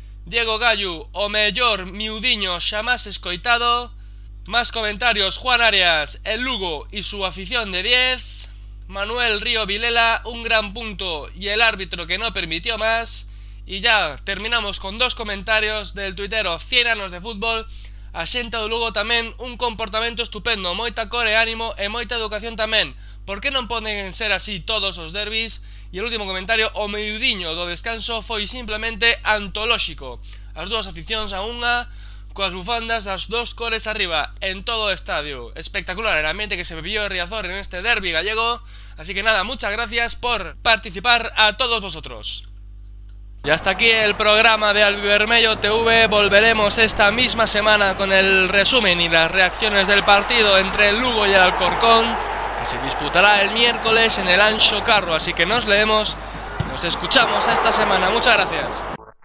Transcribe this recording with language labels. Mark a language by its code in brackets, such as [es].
[gl] Diego Gallu, o mellor, miudiño, xa más escoitado. [es] Más comentarios, Juan Arias, el Lugo y su afición de 10. Manuel Río Vilela, un gran punto y el árbitro que no permitió más. Y ya terminamos con dos comentarios del tuitero Cienanos de Fútbol. [gl] A xente do Lugo tamén un comportamento estupendo, moita core, ánimo e moita educación tamén. Por que non poden ser así todos os derbis? [es] Y el último comentario, [gl] o meiudiño do descanso foi simplemente antolóxico. As dúas aficións a unha, coas bufandas das dos cores arriba, en todo o estadio. [es] Espectacular el ambiente que se vivió en Riazor en este derbi gallego. Así que nada, muchas gracias por participar a todos vosotros. Y hasta aquí el programa de Albivermello TV. Volveremos esta misma semana con el resumen y las reacciones del partido entre el Lugo y el Alcorcón, que se disputará el miércoles en el Ancho Carro. Así que nos leemos, nos escuchamos esta semana. Muchas gracias.